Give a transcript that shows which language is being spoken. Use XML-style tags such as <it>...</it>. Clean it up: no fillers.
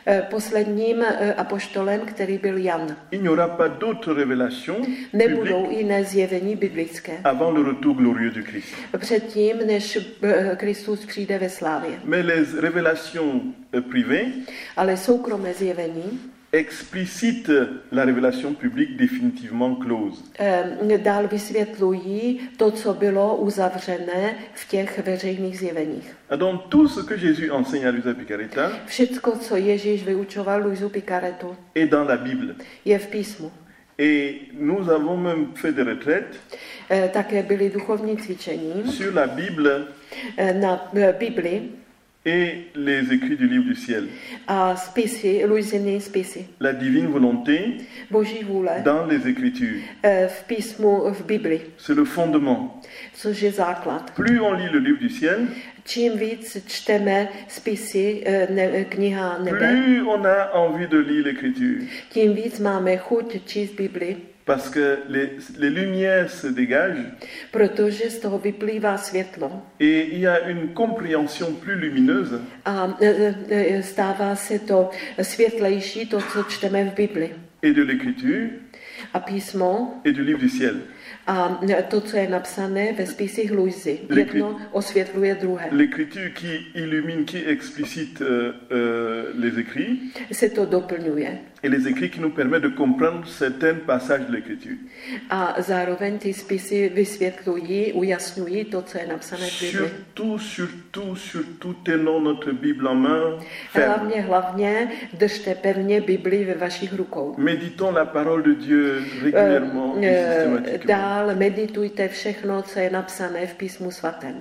<cs>Posledním apoštolem, který byl Jan.</cs> <fr>Il n'y aura pas d'autres révélations.</fr> <cs>Nebudou jiné zjevení biblické.</cs> <fr>Avant le retour glorieux du Christ.</fr> <cs>Předtím, než Kristus přijde ve slávě.</cs> <fr>Mais les révélations privées.</fr> <cs>Ale soukromé zjevení.</cs> <fr>Explicite la révélation publique définitivement close.</fr> <cs>Dál vysvětlují to, co bylo uzavřené v těch veřejných zjeveních.</cs> <fr>A donc tout ce que Jésus enseigne à Luisa Picaretta.</fr> <cs>Všecko, co Ježíš vyučoval Luisu Picaretu.</cs> <fr>Est dans la Bible.</fr> <cs>Je v písmu.</cs> <fr>Et nous avons même fait des retraites.</fr> <cs>Také byly duchovní cvičení.</cs> <fr>Sur la Bible.</fr> <cs>Na Bibli.</cs> <fr>Et les écrits du livre du ciel.</fr> <cs>A spisy, Luisiny spisy.</cs> <fr>La divine volonté.</fr> <cs>Boží vůle.</cs> <fr>Dans les écritures.</fr> <cs>V písmu, v Bibli.</cs> <fr>C'est le fondement.</fr> <cs>Což je základ.</cs> <fr>Plus on lit le livre du ciel.</fr> <cs>Čím víc čteme spisy, kniha nebe.</cs> <fr>Plus on a envie de lire l'écriture.</fr> <cs>Tím víc máme chuť číst Bibli.</cs> <fr>Parce que les lumières se dégagent.</fr> <cs>Protože z toho vyplývá světlo.</cs> <fr>Et il y a une compréhension plus lumineuse.</fr> <cs>A stává se to světlejší, to, co čteme v Bibli.</cs> <fr>Et de l'écriture.</fr> <cs>A písmo.</cs> <fr>Et du livre du ciel.</fr> <cs>A to, co je napsané ve spisích Luisy. Jedno osvětluje druhé.</cs> <fr>L'écriture qui illumine, qui explicite les écrits.</fr> <cs>Se to doplňuje.</cs> <fr>Et les écrits qui nous permettent de comprendre certains passages de l'écriture.</fr> <cs>A zároveň ty spisy vysvětlují, ujasňují to, co je napsané v Bibli.</cs> <fr>Surtout, tenons notre Bible en main.</fr> <cs>Hlavně, držte pevně Bibli ve vašich rukou.</cs> <fr>Méditons la parole de Dieu régulièrement et systématiquement.</fr> <cs>Dál meditujte všechno, co je napsané v písmu svatém.</cs>